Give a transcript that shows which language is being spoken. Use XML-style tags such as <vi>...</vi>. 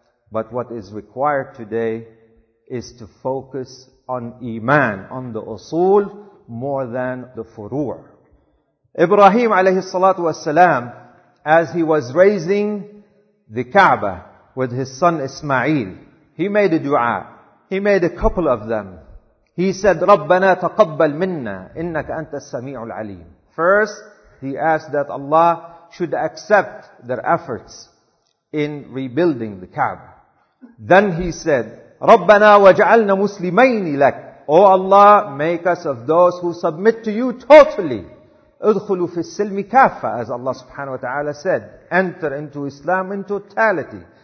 <en>But what is required today is to focus on Iman, on the usul, more than the furu'. Ibrahim alayhi salatu wasalam, as he was raising the Kaaba with his son Ismail, he made a dua. He made a couple of them. He said,</en> <ar>رَبَّنَا تَقَبَّلْ مِنَّا إِنَّكَ أَنْتَ السَّمِيعُ الْعَلِيمُ.</ar> <en>First, he asked that Allah should accept their efforts in rebuilding the Kaaba. Then he said,</en> <ar>رَبَّنَا وَجَعَلْنَا مُسْلِمَيْنِ لَكَ.</ar> <en>O Allah, make us of those who submit to you totally.</en> <ar>اُدْخُلُوا فِي السِّلْمِ كَافَّةً,</ar> <en>as Allah subhanahu wa ta'ala said, enter into Islam in totality.</en>